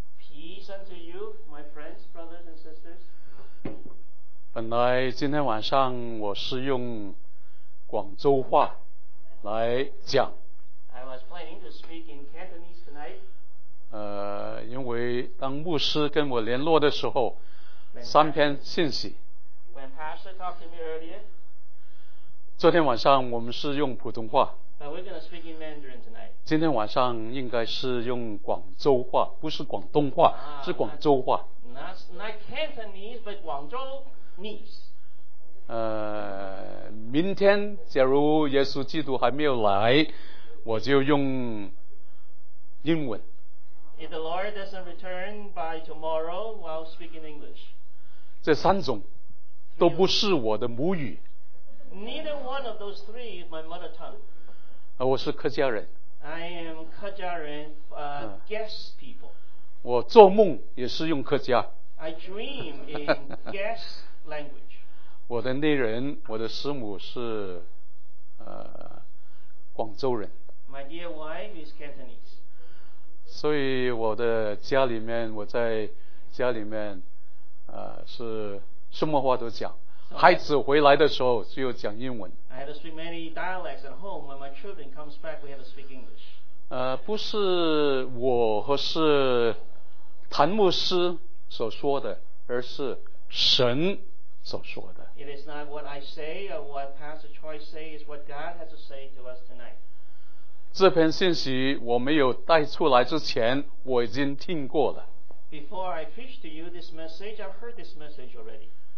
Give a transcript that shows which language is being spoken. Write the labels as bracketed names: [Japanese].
[English] Peace unto you, my friends, brothers and sisters. [Chinese] 本来今天晚上我是用广州话来讲。 [English] I was planning to speak in Cantonese tonight. [Chinese] 因为当牧师跟我联络的时候，三篇信息。 [English] When Pastor talked to me earlier. [Chinese] 昨天晚上我们是用普通话。 [English] But we're going to speak in Mandarin tonight. [Chinese] 今天晚上应该是用广州话，不是广东话，是广州话。 [English] Not Cantonese, but 广州 ese。 [Chinese] 明天假如耶稣基督还没有来，我就用英文。 [English] If the Lord doesn't return by tomorrow, I'll speak in English. [Chinese] 这三种都不是我的母语。 [English] Neither one of those three is my mother tongue. [Chinese] 我是客家人。 [English] I am 客家人 guest people. [Chinese] 我做梦也是用客家。 [English] I dream in guest language. [Chinese] 我的内人，我的师母是广州人。 [English] My dear wife is Cantonese. [Chinese] 所以我的家里面，我在家里面是什么话都讲。 [English] So、 [Chinese] 孩子回来的时候就讲英文。 [English] I have to speak many dialects at home. When my children comes back, we have to speak English. [Chinese] 不是我和是谭牧师所说的，而是神所说的。 [English] It is not what I say or what Pastor Choi say, it's what God has to say to us tonight. [Chinese] 这篇信息我没有带出来之前，我已经听过了。 [English] Before I preach to you this message, I've heard this message already.